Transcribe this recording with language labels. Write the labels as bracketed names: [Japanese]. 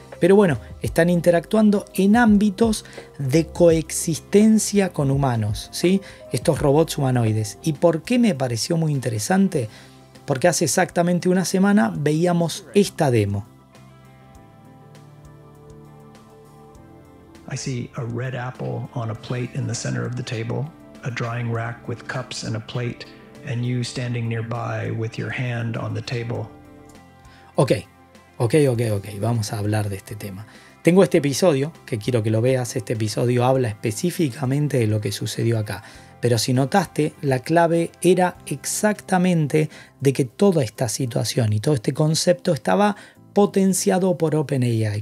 [Spanish] Pero bueno, están interactuando en ámbitos de coexistencia con humanos, ¿sí? Estos robots humanoides. ¿Y por qué me pareció muy interesante? Porque hace exactamente una semana veíamos esta demo. [English] I see a red apple on a plate in the center of the table, a drying rack with cups and a plate, and you standing nearby with your hand on the table. [Spanish] Ok, vamos a hablar de este tema. Tengo este episodio, que quiero que lo veas, este episodio habla específicamente de lo que sucedió acá. Pero si notaste, la clave era exactamente de que toda esta situación y todo este concepto estaba potenciado por OpenAI.